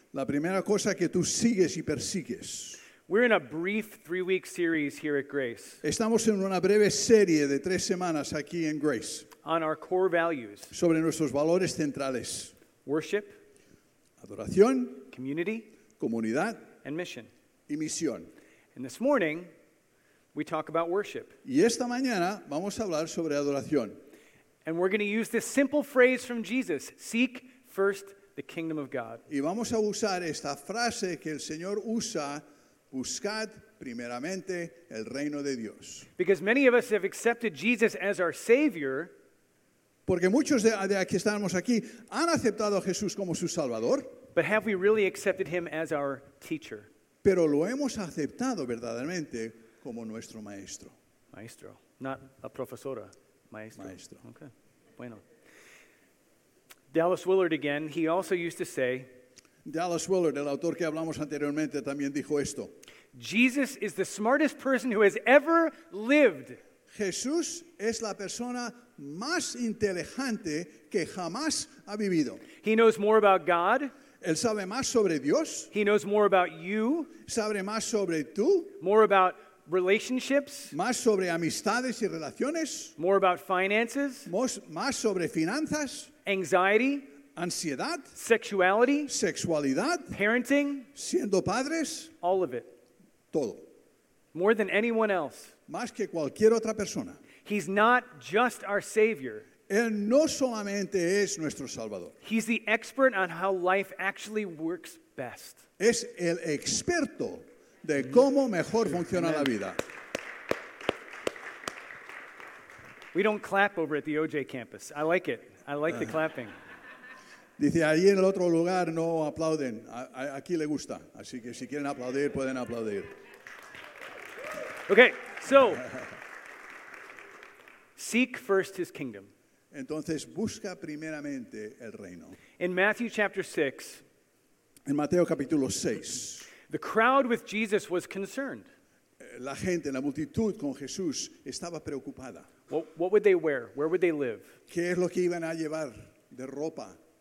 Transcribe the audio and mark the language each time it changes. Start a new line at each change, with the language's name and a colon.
Spanish: La primera cosa que tú sigues y persigues.
English: We're in a brief 3-week series here at Grace.
Spanish: Estamos en una breve serie de 3 semanas aquí en Grace.
English: On our core values.
Spanish: Sobre nuestros valores centrales.
English: Worship.
Spanish: Adoración,
English: community,
Spanish: comunidad,
English: and mission.
Spanish: Y misión.
English: And this morning, we talk about worship.
Spanish: Y esta mañana vamos a hablar sobre adoración.
English: And we're going to use this simple phrase from Jesus, seek first the kingdom of God.
Spanish: Y vamos a usar esta frase que el Señor usa, buscad primeramente el reino de Dios.
English: Because many of us have accepted Jesus as our Savior.
Spanish: Porque muchos de aquí estamos aquí han aceptado a Jesús como su Salvador.
English: But have we really accepted him as our teacher?
Spanish: Pero lo hemos aceptado verdaderamente como nuestro maestro. Maestro,
English: not a
Spanish: profesora. Maestro. Maestro. Okay. Bueno.
English: Dallas Willard again, he also used to say,
Spanish: Dallas Willard, el autor que hablamos anteriormente, también dijo esto.
English: Jesus is the smartest person who has ever lived.
Spanish: Jesús es la persona más inteligente que jamás ha vivido.
English: He knows more about God.
Spanish: Él sabe más sobre Dios.
English: He knows more about you.
Spanish: Sabe más sobre tú.
English: More about relationships.
Spanish: Más sobre amistades y relaciones.
English: More about finances.
Spanish: Más sobre finanzas.
English: Anxiety.
Spanish: Ansiedad.
English: Sexuality.
Spanish: Sexualidad.
English: Parenting.
Spanish: Siendo padres.
English: All of it.
Spanish: Todo.
English: More than anyone else.
Spanish: Más que cualquier otra persona.
English: He's not just our Savior.
Spanish: Él no solamente es nuestro Salvador.
English: He's the expert on how life actually works best.
Spanish: Es el experto de cómo mejor funciona la vida.
English: We don't clap over at the OJ campus. I like it. I like the clapping.
Spanish: Dice, ahí en el otro lugar no aplauden. Aquí le gusta. Así que si quieren aplaudir, pueden aplaudir.
English: Okay, so, seek first his kingdom.
Spanish: Entonces, busca primeramente el reino.
English: In Matthew chapter 6,
Spanish: en Mateo capítulo 6,
English: the crowd with Jesus was concerned.
Spanish: La gente, la multitud con Jesús estaba preocupada.
English: What would they wear? Where would they live?
Spanish: ¿Qué es lo que iban a llevar de ropa?